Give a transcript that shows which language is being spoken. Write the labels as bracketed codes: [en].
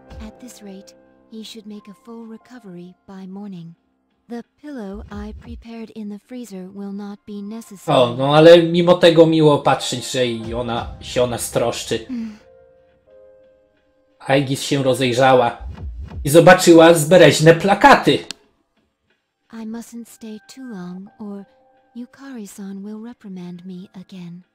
[en] At this rate, he should make a full recovery by morning. The pillow I prepared in the freezer will not be necessary. [pl] O, no ale mimo tego miło patrzeć, że i ona się o nas troszczy. Aegis się rozejrzała i zobaczyła zbereźne plakaty. [en] I mustn't stay too long, or Yukari-san will reprimand me again.